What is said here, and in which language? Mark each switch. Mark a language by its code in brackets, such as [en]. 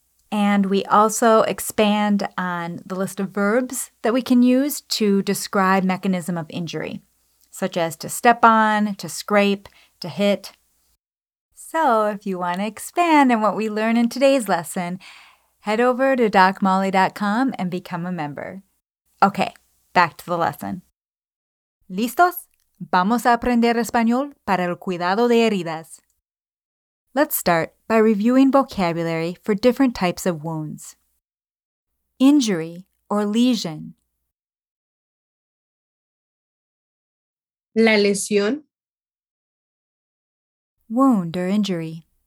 [en] And we also expand on the list of verbs that we can use to describe mechanism of injury, such as to step on, to scrape, to hit. So if you want to expand on what we learn in today's lesson, head over to DocMolly.com and become a member. Okay, back to the lesson. [es] ¿Listos? Vamos a aprender español para el cuidado de heridas. [en] Let's start by reviewing vocabulary for different types of wounds. Injury or lesion. [es] La lesión. [en] Wound or injury.